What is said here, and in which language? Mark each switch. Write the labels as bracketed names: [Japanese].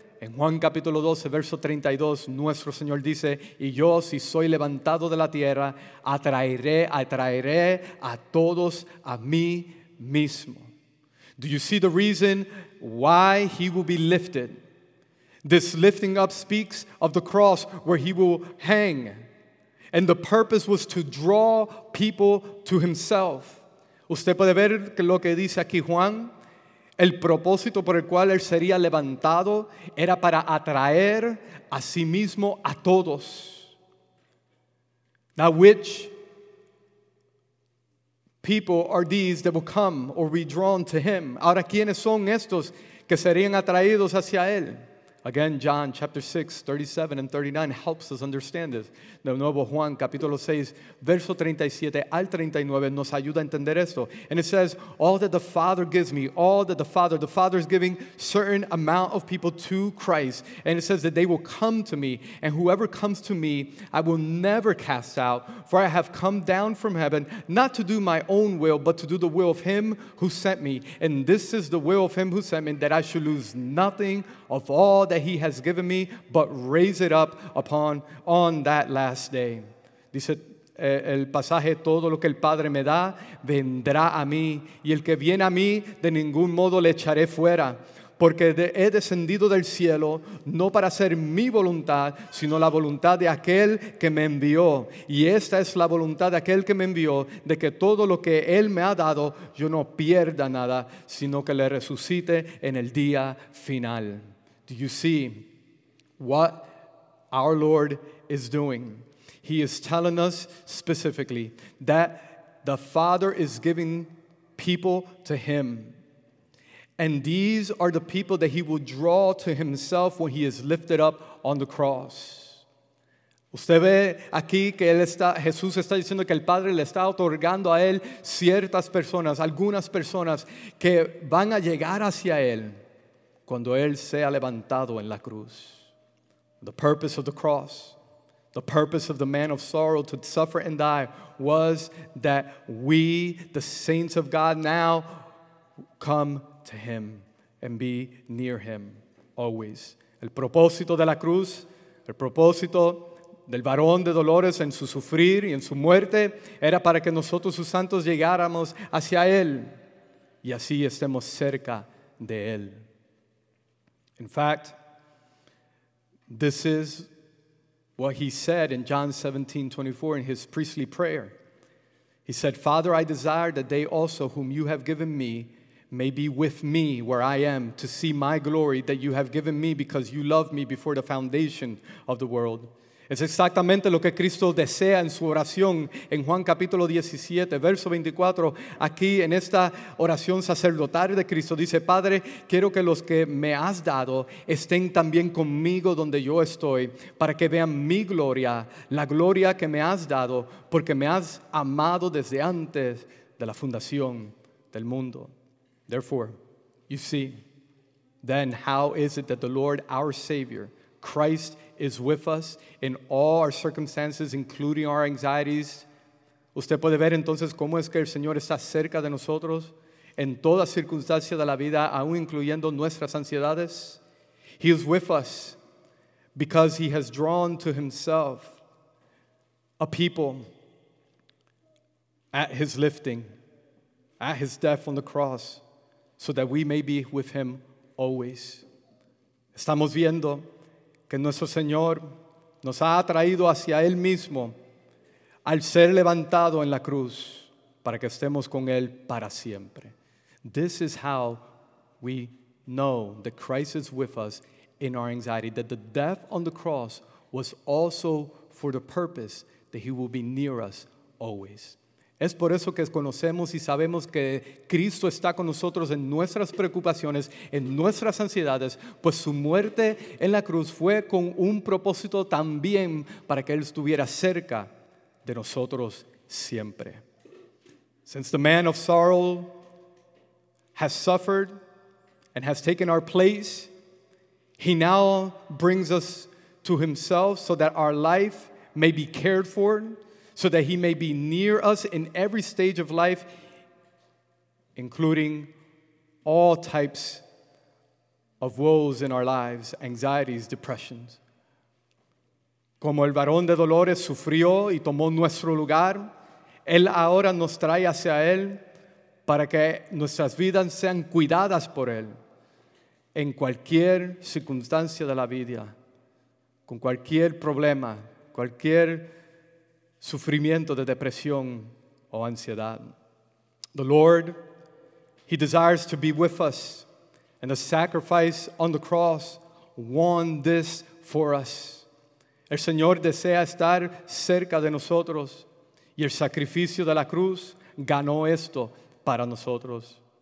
[Spanish] En Juan capítulo 12, verso 32, nuestro Señor dice, "Y yo, si soy levantado de la tierra, atraeré a todos a mí mismo." [English] Do you see the reason why he will be lifted? This lifting up speaks of the cross where he will hang. And the purpose was to draw people to himself. [Spanish] Usted puede ver lo que dice aquí Juan. El propósito por el cual él sería levantado era para atraer a sí mismo a todos. [English] Now, which people are these that will come or be drawn to him? [Spanish] Ahora, ¿quiénes son estos que serían atraídos hacia él. [English] Again, John chapter 6, 37 and 39 helps us understand this. [Spanish] De nuevo, Juan capítulo 6, verso 37 al 39 nos ayuda a entender esto. [English] And it says, all that the Father gives me, all that the Father is giving certain amount of people to Christ. And it says that they will come to me, and whoever comes to me, I will never cast out. For I have come down from heaven, not to do my own will, but to do the will of him who sent me. And this is the will of him who sent me, that I should lose nothing of all that he has given me, but raise it up on that last day. [Spanish] Dice el pasaje, todo lo que el Padre me da, vendrá a mí. Y el que viene a mí, de ningún modo le echaré fuera. Porque he descendido del cielo, no para hacer mi voluntad, sino la voluntad de aquel que me envió. Y esta es la voluntad de aquel que me envió, de que todo lo que él me ha dado, yo no pierda nada, sino que le resucite en el día final. [English] Do you see what our Lord is doing? He is telling us specifically that the Father is giving people to him. And these are the people that he will draw to himself when he is lifted up on the cross. [Spanish] Usted ve aquí que Jesús está diciendo que el Padre le está otorgando a él ciertas personas, algunas personas que van a llegar hacia él cuando él sea levantado en la cruz. [English] The purpose of the cross, the purpose of the man of sorrow to suffer and die, was that we, the saints of God, now come to him and be near him always. [Spanish] El propósito de la cruz, el propósito del varón de dolores en su sufrir y en su muerte, era para que nosotros, sus santos, llegáramos hacia él y así estemos cerca de él. [English] In fact, this is what he said in John 17, 24 in his priestly prayer. He said, Father, I desire that they also whom you have given me may be with me where I am to see my glory that you have given me because you loved me before the foundation of the world. [Spanish] Es exactamente lo que Cristo desea en su oración en Juan capítulo 17, verso 24. Aquí en esta oración sacerdotal de Cristo dice, Padre, quiero que los que me has dado estén también conmigo donde yo estoy para que vean mi gloria, la gloria que me has dado porque me has amado desde antes de la fundación del mundo. [English] Therefore, you see, then how is it that the Lord, our Savior, Christ is with us in all our circumstances, including our anxieties. [Spanish] Usted puede ver entonces cómo es que el Señor está cerca de nosotros en toda circunstancia de la vida, aún incluyendo nuestras ansiedades. [English] He is with us because he has drawn to himself a people at his lifting, at his death on the cross, so that we may be with him always. [Spanish] Estamos viendo que nuestro Señor nos ha atraído hacia Él mismo al ser levantado en la cruz para que estemos con Él para siempre. [English] This is how we know that Christ is with us in our anxiety, that the death on the cross was also for the purpose that he will be near us always. [Spanish] Es por eso que conocemos y sabemos que Cristo está con nosotros en nuestras preocupaciones, en nuestras ansiedades, pues su muerte en la cruz fue con un propósito también para que Él estuviera cerca de nosotros siempre. [English] Since the man of sorrow has suffered and has taken our place, he now brings us to himself so that our life may be cared for, so that he may be near us in every stage of life, including all types of woes in our lives, anxieties, depressions. [Spanish] Como el varón de dolores sufrió y tomó nuestro lugar, él ahora nos trae hacia él para que nuestras vidas sean cuidadas por él en cualquier circunstancia de la vida, con cualquier problema, cualquier sufrimiento de depresión o ansiedad. [English] The Lord, he desires to be with us, and the sacrifice on the cross won this for us. [Spanish] El Señor desea estar cerca de nosotros, y el sacrificio de la cruz ganó esto para nosotros.